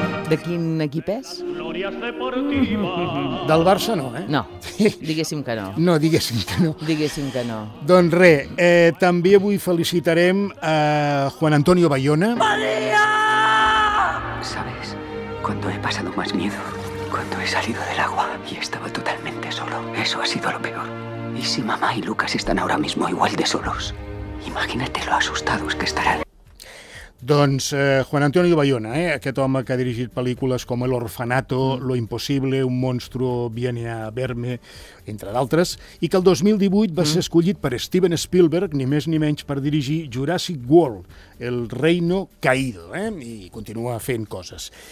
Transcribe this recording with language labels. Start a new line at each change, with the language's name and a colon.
Catalan: De quin equip és? Del Barça no, eh? No, diguéssim que no. No, diguéssim que no. Diguéssim que no. Doncs res, també avui felicitarem a Juan Antonio Bayona.
Spanish: ¡Valía! ¿Sabes? Cuando he pasado más miedo, cuando he salido del agua y estaba totalmente solo, eso ha sido lo peor. ¿Y si mamá y Lucas están ahora mismo igual de solos? Imagínate lo asustados que estarán.
Catalan: Doncs Juan Antonio Bayona, aquest home que ha dirigit pel·lícules com El Orfanato, Lo Imposible, Un monstruo viene a verme, entre d'altres, i que el 2018 va ser escollit per Steven Spielberg, ni més ni menys, per dirigir Jurassic World, El Reino Caído, i continua fent coses.